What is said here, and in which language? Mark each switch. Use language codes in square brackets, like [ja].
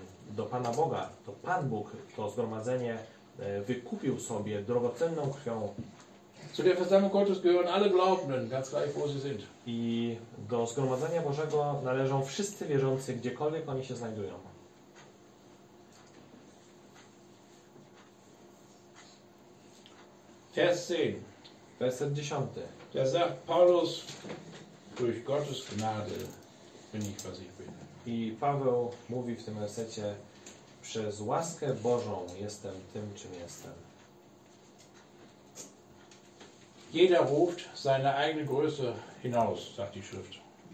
[pl] do Pana Boga, to Pan Bóg to zgromadzenie wykupił sobie drogocenną krwią [de] Zu der Versammlung Gottes gehören alle Glaubenden, ganz gleich wo sie sind. [pl] I do zgromadzenia Bożego należą wszyscy wierzący, gdziekolwiek oni się znajdują. [de] Vers 10. [pl] Werset 10. [de] Da sagt Paulus, durch Gottes Gnade bin ich, was ich bin. [pl] I Paweł mówi w tym wersecie, przez łaskę Bożą jestem tym, czym jestem. [de] Jeder ruft seine eigene Größe hinaus, sagt die Schrift.